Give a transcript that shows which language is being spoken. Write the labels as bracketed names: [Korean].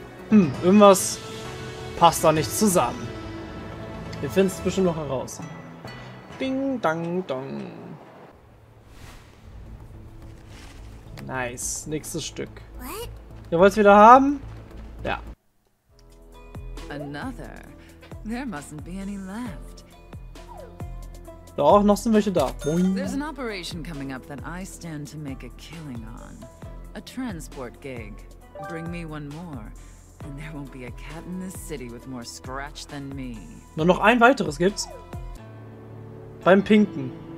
[German] Hm, irgendwas passt da nicht zusammen. Wir finden es bestimmt noch heraus. Ding, dang, dong. Nice, nächstes Stück. Ihr wollt es wieder haben? [English] Ja. Another. There mustn't be any left. [German] Doch, noch sind welche da. [English] There's an operation coming up that I stand to make a killing on. A transport gig. Bring me one more, and there won't be a cat in this city with more scratch than me. [German] Nur noch ein weiteres gibt's. Beim Pinken.